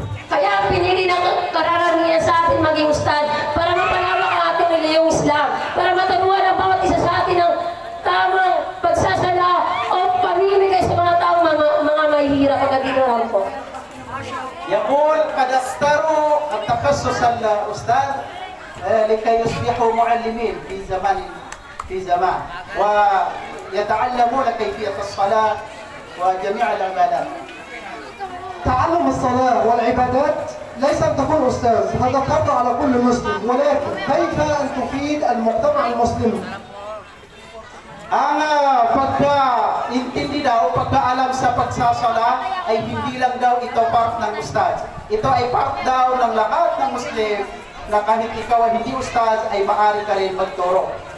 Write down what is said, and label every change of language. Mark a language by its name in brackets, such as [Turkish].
[Filipino] Kaya ang pinili ng kararamihan sa atin maging ustad para mapalawa ang ating reliyong Islam. Para matanuan ang bawat isa sa atin ng tamang pagsasala o paninigay sa mga taong mga mahihirap ang nagiging po. [Arabic] يقول قد استروا التخصص الأستاذ لكي يصبحوا معلمين في زمان في زمان ويتعلمون كيفية الصلاة وجميع العبادات. تعلم الصلاة والعبادات ليس أن تكون أستاذ، هذا فرض على كل مسلم، ولكن كيف أن تفيد المجتمع المسلم؟ [Filipino] أنا intindi daw, pagkaalam sa pagsasala ay hindi lang daw ito part ng ustaz. Ito ay part daw ng lahat ng Muslim na kahit ikaw ay hindi ustaz ay maaari ka rin magturo.